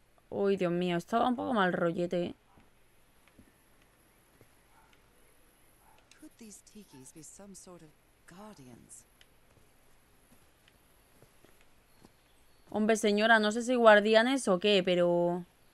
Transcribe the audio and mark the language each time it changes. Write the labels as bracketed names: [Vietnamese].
[Spanish] Uy, Dios mío, estaba un poco mal rollete. [English] Could these tikis be some sort of guardians? [Spanish] Hombre, señora, no sé si guardianes o qué, pero...